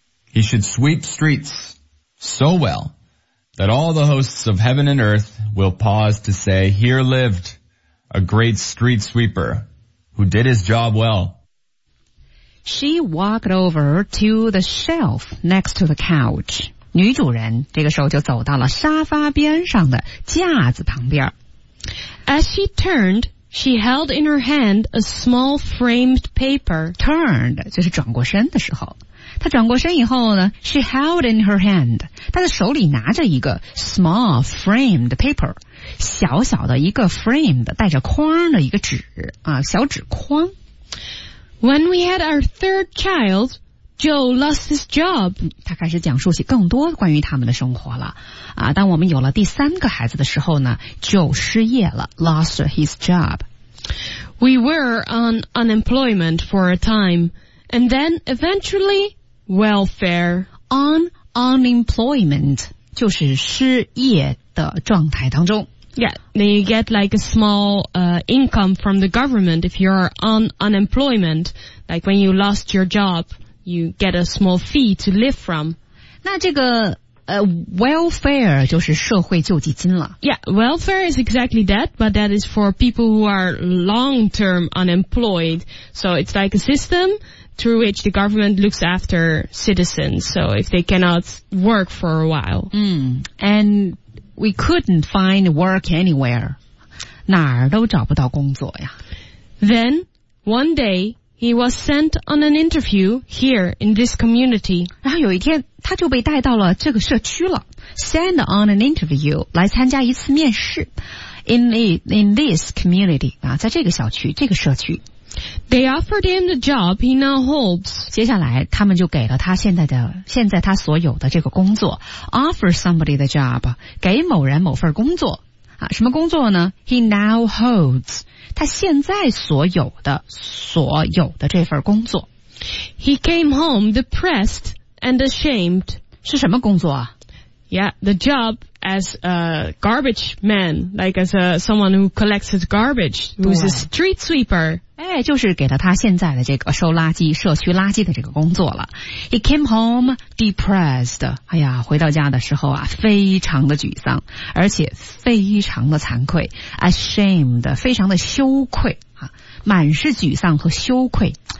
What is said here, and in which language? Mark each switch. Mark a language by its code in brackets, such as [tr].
[en] He should sweep streets so well. That all the hosts of heaven and earth will pause to say, Here lived a great street sweeper who did his job well. She walked over to the shelf next to the couch. [zh] 女主人这个时候就走到了沙发边上的架子旁边。 [en] As she turned, she held in her hand a small framed paper. Turned, [zh] 就是转过身的时候。她转过身以后呢 , [en] she held in her hand, [zh] 她的手里拿着一个 [en] small framed paper, [zh] 小小的一个 framed, 带着框的一个纸啊小纸框。 [en] When we had our third child, Joe lost his job. [zh] 她开始讲述起更多关于他们的生活了。啊当我们有了第三个孩子的时候呢 ,Joe 失业了 , [en] lost his job. We were on unemployment for a time, and then eventually,Welfare on unemployment [zh] 就是失业的状态当中 [en] Yeah, you get like a small income from the government if you're on unemployment like when you lost your job you get a small fee to live from [zh] 那这个welfare 就是社会救济金了 [en] Yeah, welfare is exactly that but that is for people who are long-term unemployed so it's like a systemthrough which the government looks after citizens, so if they cannot work for a while. And we couldn't find work anywhere. [zh] 哪儿都找不到工作呀。 [en] Then, one day, he was sent on an interview here in this community. [zh] 然后有一天他就被带到了这个社区了。 [en] Send on an interview, [zh] 来参加一次面试。 [en] In this community, [zh] 啊在这个小区这个社区。 [en] They offered him the job he now holds. [zh] 接下来他们就给了他现在他所有的这个工作 [en] Offer somebody the job [zh] 给某人某份工作、啊、什么工作呢 [en] He now holds [zh] 他现在所有的这份工作。 [en] He came home depressed and ashamed. [zh] 是什么工作啊？ [en] Yeah, the job as a garbage man, like as a, someone who collects his garbage, who's a street sweeper. [zh] 哎，就是给了他现在的这个收垃圾、社区垃圾的这个工作了。 [en] He came home depressed. [zh] 哎呀，回到家的时候啊，非常的沮丧，而且非常的惭愧 ,ashamed, 非常的羞愧啊，满是沮丧和羞愧。